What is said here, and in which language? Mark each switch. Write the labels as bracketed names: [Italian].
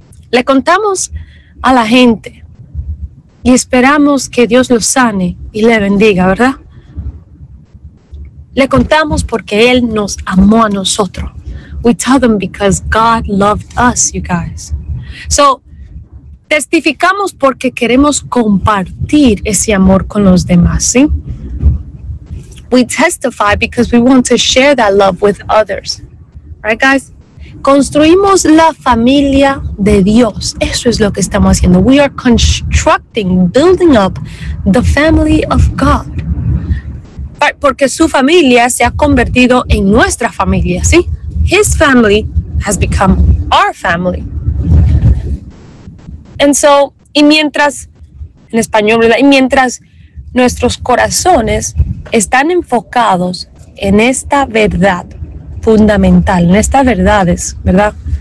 [Spanish] Le contamos a la gente. Y esperamos que Dios los sane y le bendiga, ¿verdad? Le contamos porque Él nos amó a nosotros. [English] We tell them because God loved us, you guys. [Spanish] So, testificamos porque queremos compartir ese amor con los demás, ¿sí? [English] We testify because we want to share that love with others. Right, guys? [Spanish] Construimos la familia de Dios. Eso es lo que estamos haciendo. [English] We are constructing, building up the family of God. [Spanish] Right, porque su familia se ha convertido en nuestra familia, ¿sí? [English] His family has become our family. [Spanish] And so, y mientras, en español, ¿verdad? Y mientras nuestros corazones están enfocados en esta verdad fundamental, en estas verdades, ¿verdad?